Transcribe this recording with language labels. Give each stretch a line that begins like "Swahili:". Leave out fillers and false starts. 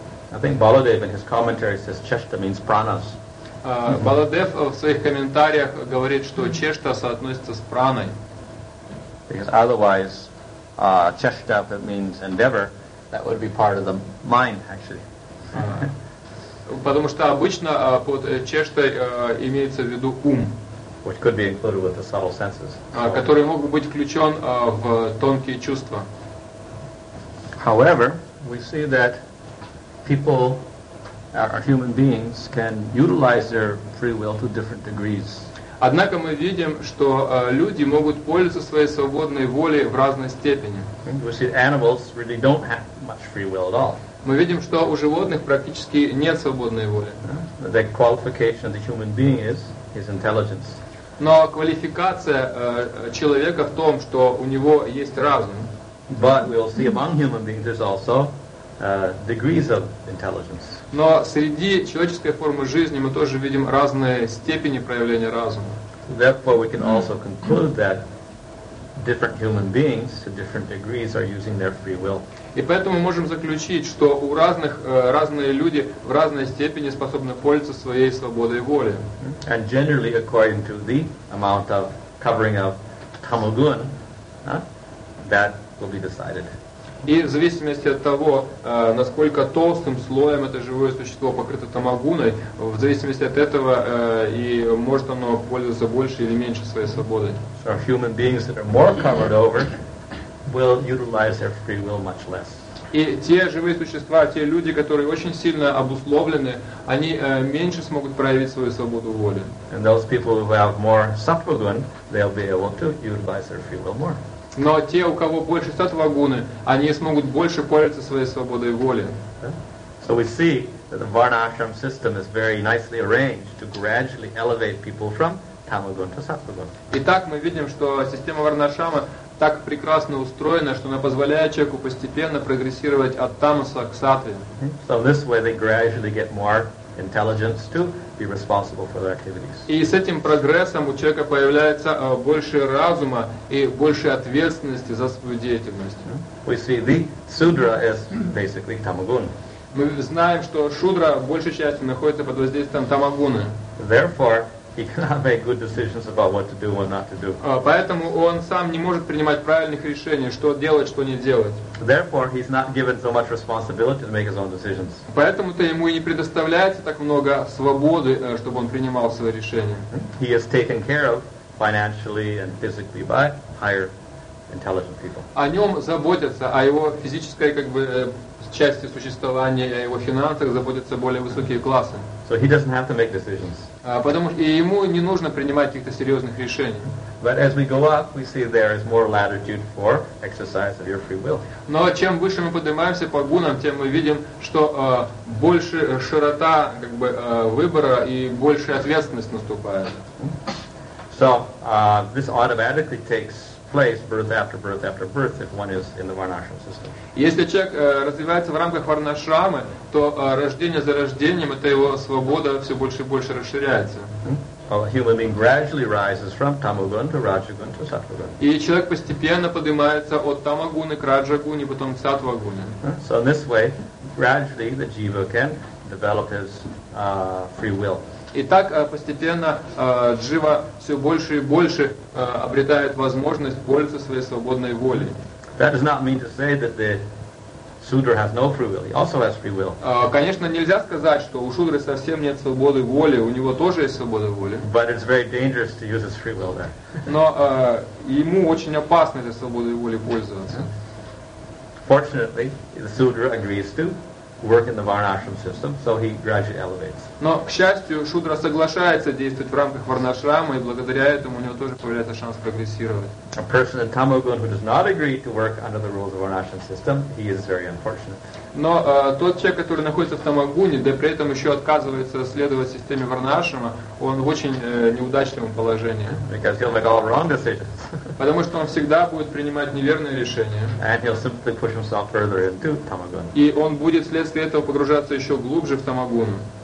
English: I think Baladev in his commentary says cheshta means pranas.
Russian: Baladev в своих комментариях говорит, что чешта соотносится с праной.
English: Because otherwise, cheshta, if it means endeavor, that would be part of the mind, actually.
Russian: Потому что обычно под чештой имеется в виду ум.
English: Which could be included with the subtle senses.
Russian: Который мог быть включен в тонкие чувства.
English: However, we see that people, our human beings, can utilize their free will to different degrees.
Russian: Однако мы видим, что люди могут пользоваться своей свободной волей в разной степени.
English: We see animals really don't have much free will at all.
Russian: Мы видим, что у животных практически нет свободной воли.
English: The qualification of the human being is his intelligence.
Russian: Но квалификация человека в том, что у него есть разум.
English: But we will see among human beings there's also degrees of intelligence.
Russian: Но среди человеческой формы жизни мы тоже видим разные степени проявления разума.
English: Therefore, we can also conclude that different human beings to different degrees are using their free will.
Russian: И поэтому мы можем заключить, что у разных разные люди в разной степени способны пользоваться своей свободой воли.
English: And generally, according to the amount of covering of tamogun, that will be decided.
Russian: И в зависимости от того, насколько толстым слоем это живое существо покрыто тамагуной, в зависимости от этого и может оно пользоваться больше или меньше своей свободой.
English: So human beings that are more covered over will utilize their free will much less.
Russian: И те живые существа, те люди, которые очень сильно обусловлены, они меньше смогут проявить свою свободу воли.
English: And those people who have more sattva-guna, they'll be able to utilize their free will more.
Russian: Но те, у кого больше сатвагуны, они смогут больше пользоваться своей свободой воли.
English: So we see that the Varna-ashram system is very nicely arranged to gradually elevate people from tamagun to sattva-guna.
Russian: Итак, мы видим, что система Варна-ашрама так прекрасно устроена, что она позволяет человеку постепенно прогрессировать от тамаса к сатве.
English: So this way they gradually get more intelligence to be responsible for their activities.
Russian: И с этим прогрессом у человека появляется больше разума и больше ответственности за свою деятельность.
English: We see the sudra is basically tamagun.
Russian: Мы знаем, что шудра большей частью находится под воздействием тамагуны.
English: Therefore, he cannot make good decisions about what to do and not to do.
Russian: Поэтому он сам не может принимать правильных решений, что делать, что не делать.
English: Therefore, he's not given so much responsibility to make his own decisions.
Russian: Поэтому-то ему и не предоставляется так много свободы, чтобы он принимал свои решения.
English: He is taken care of financially and physically by higher intelligent people.
Russian: О нем заботятся, о его физической как бы части существования, о его финансах заботятся более высокие классы.
English: So he doesn't have to make decisions.
Russian: Потому что ему не нужно принимать каких-то серьезных решений.
English: But as we go up, we see there is more latitude for exercise of your free will.
Russian: Но чем выше мы поднимаемся по гунам, тем мы видим, что больше широта как бы выбора и больше ответственность наступает.
English: So this automatically takes place birth after birth after birth if one is in the Varna-ashram system.
Russian: Если человек развивается в рамках Варна-ашрамы, то рождение за рождением это его свобода все больше и больше расширяется.
English: Well, a human being gradually rises from tamagun to rajagun to sattvagun.
Russian: И человек постепенно поднимается от тамагуны к раджагуне, потом к сатвагуне.
English: So in this way, gradually the jiva can develop his free will.
Russian: И так постепенно джива все больше и больше обретает возможность пользоваться своей свободной волей.
English: That does not mean to say that the sudra has no free will. He also has free will.
Russian: Конечно, нельзя сказать, что у шудры совсем нет свободы воли. У него тоже есть свобода воли.
English: But it's very dangerous to use his free will there.
Russian: Но ему очень опасно для свободы воли пользоваться.
English: Fortunately, the sudra agrees to work in the Varna-ashram system, so he gradually elevates.
Russian: Но, к счастью, шудра соглашается действовать в рамках Варна-ашрама, и благодаря этому у него тоже появляется шанс прогрессировать.
English: A person in tamagun who does not agree to work under the rules of Varna-ashram system, he is very unfortunate.
Russian: Но тот человек, который находится в тамагуне, да при этом еще отказывается следовать системе Варна-ашрама, он в очень неудачном положении.
English: Because he'll make all wrong decisions.
Russian: Потому что он всегда будет принимать неверные решения.
English: And he'll simply push himself further into tamagun.
Russian: И он будет вследствие этого погружаться еще глубже в тамагуну.